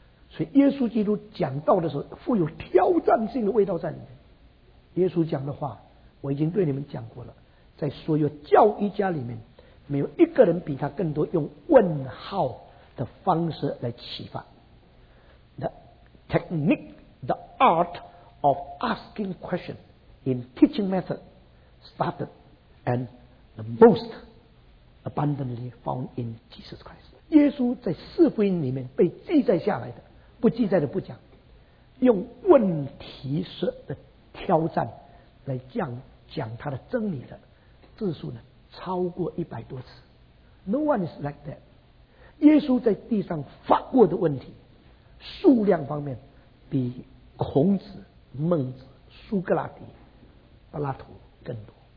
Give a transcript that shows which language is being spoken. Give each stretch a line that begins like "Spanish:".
Chinese: 所以耶稣基督讲道的时候富有挑战性的味道在里面。耶稣讲的话我已经对你们讲过了，在所有教义家里面没有一个人比他更多用问号的方式来启发。
English: The technique, the art of asking question in teaching method started and the mostabundantly found in Jesus Christ。
Chinese: 耶稣在四福音里面被记载下来的，不记载的不讲，用问题式的挑战来讲他的真理的字数呢，超过100多次。
English: No one is like that。
Chinese: 耶稣在地上发过的问题数量方面比孔子、孟子、苏格拉底、柏拉图更多。